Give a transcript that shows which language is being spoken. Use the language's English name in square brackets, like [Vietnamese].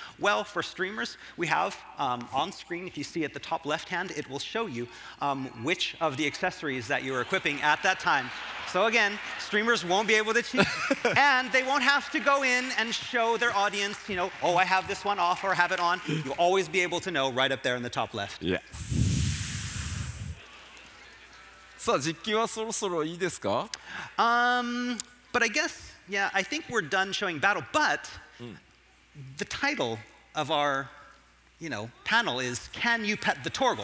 [English] Well, for streamers, we have on screen, if you see at the top left hand, it will show you which of the accessories that you're equipping at that time. So again, streamers won't be able to cheat, and they won't have to go in and show their audience, oh, I have this one off or have it on. You'll always be able to know right up there in the top left. Yeah. [Japanese] さあ、実機はそろそろいいですか? [English] But I guess, yeah, I think we're done showing battle, but the title of our, panel is Can You Pet the Torgal?